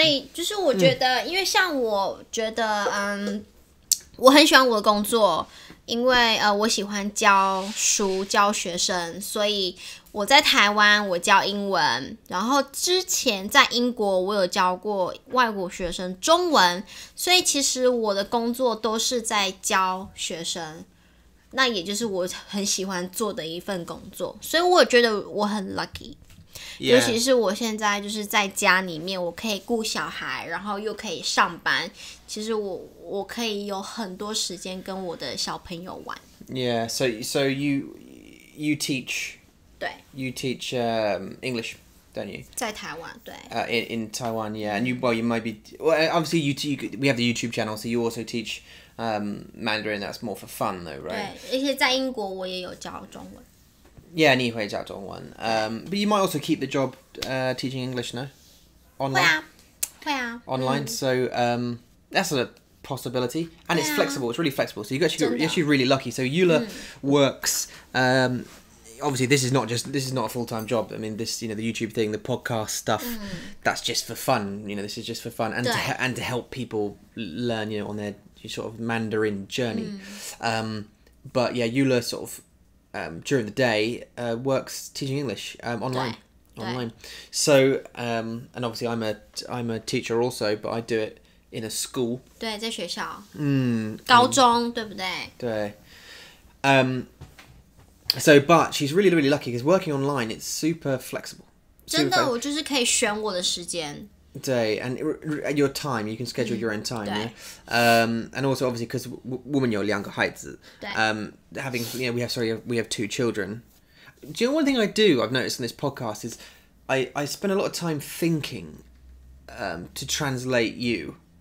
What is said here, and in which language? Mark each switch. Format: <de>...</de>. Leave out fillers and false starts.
<zh>以就是我觉得、因为像我觉得我很喜欢我的工作，因为我喜欢教书教学生，所以我在台湾我教英文，然后之前在英国我有教过外国学生中文，所以其实我的工作都是在教学生，那也就是我很喜欢做的一份工作，所以我觉得我很 lucky、</zh> <en>yeah.</en> <zh>尤其是我现在就是在家里面我可以顾小孩然后又可以上班，其实我可以有很多时间跟我的小朋友玩。</zh> <en>Yeah, so you teach You teach English, don't you?</en> <zh>在台湾，对。</zh> <en>In Taiwan, yeah. And you might be... Well, obviously, we have the YouTube channel, so you also teach Mandarin. That's more for fun, though, right?</en> <zh>对，而且在英国我也有教中文。 Yeah, 你也会教中文。</zh> <en>But you might also keep the job teaching English, no? Online?</en> <zh>会啊。</zh> <en>Online, so that's a possibility. And it's flexible, it's really flexible. So you're actually really lucky. So Eula works... Obviously, this is not a full-time job. I mean, this, you know, the YouTube thing, the podcast stuff, that's just for fun. You know, this is just for fun and to help people learn, you know, on their sort of Mandarin journey. But yeah, Eula sort of during the day works teaching English online. So and obviously I'm a teacher also, but I do it in a school.</en> <zh>对，在学校。嗯，高中对不对？对。</zh> <en>So, but she's really, really lucky because working online, it's super flexible.</en> <zh>真的，我就是可以选我的时间。</zh> <en>对 ，and your time, you can schedule your own time.</en> <zh>对、</zh> <en>yeah? And also, obviously, because</en> <zh>我们有两个孩子。对。</zh> <en>Having, you know, we have two children. Do you know one thing I do? I've noticed in this podcast is, I spend a lot of time thinking, to translate you.</en>